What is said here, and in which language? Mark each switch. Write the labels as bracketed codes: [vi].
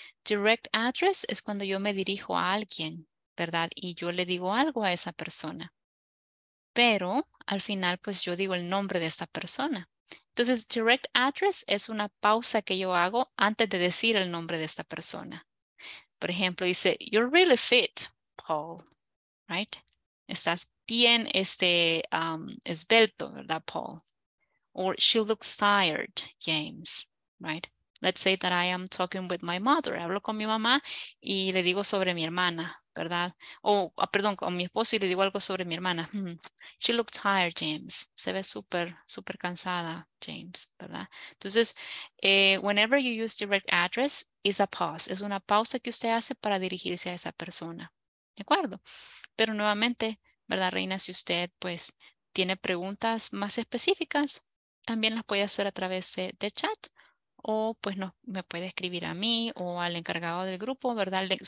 [es] Direct address es cuando yo me dirijo a alguien, ¿verdad? Y yo le digo algo a esa persona. Pero al final, pues yo digo el nombre de esa persona. Entonces, direct address es una pausa que yo hago antes de decir el nombre de esta persona. Por ejemplo, dice, [en] you're really fit, Paul, right? [es] Estás bien esbelto, ¿verdad, Paul? [en] Or she looks tired, James, right? Let's say that I am talking with my mother. [es] Hablo con mi mamá y le digo sobre mi hermana, ¿verdad? Con mi esposo y le digo algo sobre mi hermana. [en] She looks tired, [es] James. Se ve súper, súper cansada, James, ¿verdad? [en] Entonces, whenever you use direct address, it's a pause. [es] Es una pausa que usted hace para dirigirse a esa persona, ¿de acuerdo? Pero nuevamente, ¿verdad, Reina? Si usted, pues, tiene preguntas más específicas, también las puede hacer a través de chat. O pues no, me puede escribir a mí o al encargado del grupo, ¿verdad?